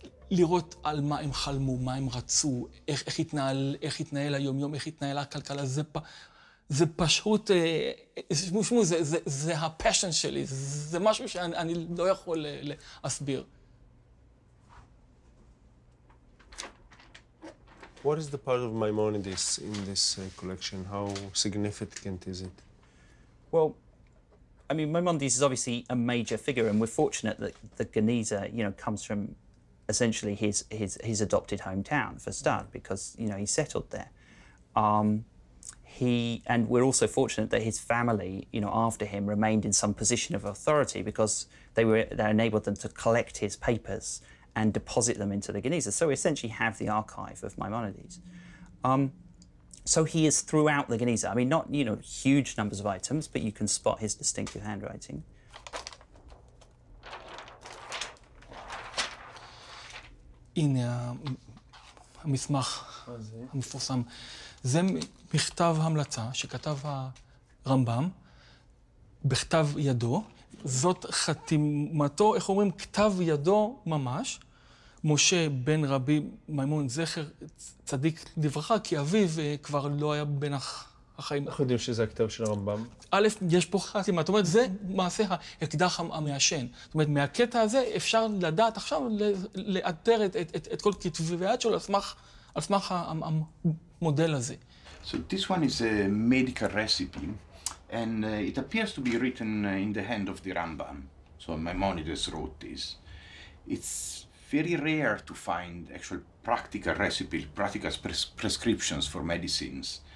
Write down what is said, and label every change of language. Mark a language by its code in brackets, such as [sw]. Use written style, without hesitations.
[he] לראות על מה הם חלמו, מה הם רצו, איך התנהל היום-יום, איך התנהל הכלכלה, זה פשוט, שמו, זה הפשן שלי, זה משהו שאני לא יכול להסביר. [en] What is the part of Maimonides in this collection? How significant is it? Well, I mean, Maimonides is obviously a major figure, and we're fortunate that the Geniza, you know, comes from essentially his adopted hometown, for a start, because, you know, he settled there. And we're also fortunate that his family, you know, after him, remained in some position of authority because that enabled them to collect his papers and deposit them into the Geniza. So we essentially have the archive of Maimonides. So he is throughout the Geniza. I mean, not, you know, huge numbers of items, but you can spot his distinctive handwriting. In [he] המסמך המפורסם. זה מכתב המלצה שכתב הרמב״ם בכתב ידו. זאת חתימתו, איך אומרים, כתב ידו ממש. משה בן רבי מימון, זכר צדיק לברכה, כי אביו כבר לא היה בן החיים. אנחנו יודעים שזה הכתב של הרמב״ם. א', יש פה חתימה. זאת אומרת, זה מעשה האקדח המעשן. זאת אומרת, מהקטע הזה אפשר לדעת עכשיו לאתר את כל כתבי היד שלו, על סמך המודל הזה. [en] So this one is a medical recipe, and it appears to be written in the hand of the Rambam. So Maimonides wrote this. It's very rare to find actual practical recipes, practical prescriptions for medicines.